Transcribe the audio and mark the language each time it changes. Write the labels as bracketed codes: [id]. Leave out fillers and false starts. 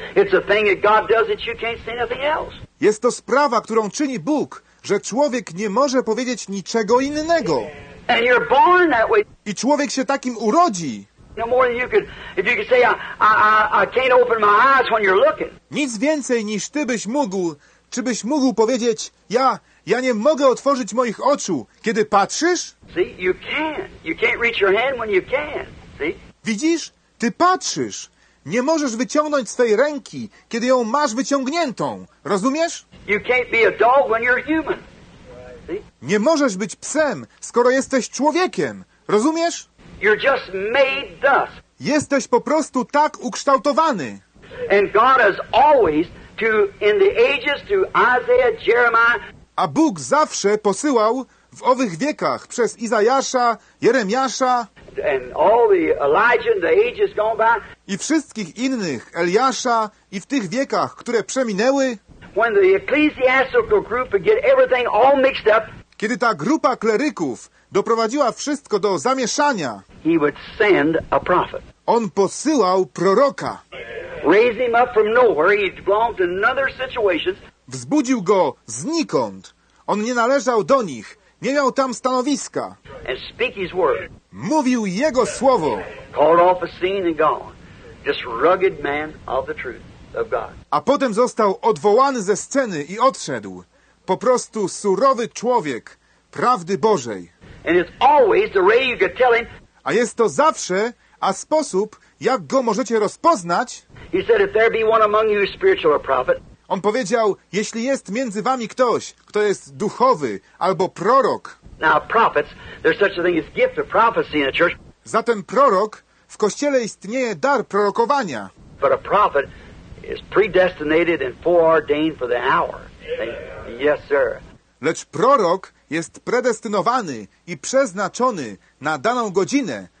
[en] It's a thing that God does that you can't say nothing else. [pl] Jest to sprawa, którą czyni Bóg, że człowiek nie może powiedzieć niczego innego. [en] And you're born that way. [pl] I człowiek się takim urodzi. [en] No more than you could, if you could say, I can't open my eyes when you're looking. [pl] Nic więcej niż ty byś mógł, czy byś mógł powiedzieć, ja nie mogę otworzyć moich oczu, kiedy patrzysz? [en] See, you can't. You can't reach your hand when you can. See? [pl] Widzisz? Ty patrzysz. Nie możesz wyciągnąć swej ręki, kiedy ją masz wyciągniętą. Rozumiesz? [en] You can't be a dog when you're human. See? [pl] Nie możesz być psem, skoro jesteś człowiekiem. Rozumiesz? [en] You're just made thus. [pl] Jesteś po prostu tak ukształtowany. [en] And God has always to in the ages to Isaiah, Jeremiah. [pl] A Bóg zawsze posyłał w owych wiekach przez Izajasza, Jeremiasza [en] and all the Elijah in the ages gone by. [pl] I wszystkich innych Eliasza i w tych wiekach, które przeminęły. [en] When the ecclesiastical group would get everything all mixed up. [pl] Kiedy ta grupa kleryków doprowadziła wszystko do zamieszania. [en] He would send a prophet. [pl] On posyłał proroka. [en] Raise him up from nowhere. He belonged to another situation. [pl] Wzbudził go znikąd. On nie należał do nich. Nie miał tam stanowiska. [en] And speak his word. [pl] Mówił jego słowo. [en] Called off a scene and gone. This rugged man of the truth of God. [pl] A potem został odwołany ze sceny i odszedł. Po prostu surowy człowiek prawdy Bożej. [en] And it's always the way you could tell him. [pl] A jest to zawsze, a sposób, jak go możecie rozpoznać. [en] He said, if there be one among you spiritual or prophet. [pl] On powiedział, jeśli jest między wami ktoś, kto jest duchowy albo prorok. [en] Now, prophets, there's such a thing as gift of prophecy in a church. [pl] Zatem prorok, w kościele istnieje dar prorokowania. [en] But a prophet is predestinated and foreordained for the hour. Yes, sir. [pl] Lecz prorok jest predestynowany i przeznaczony na daną godzinę.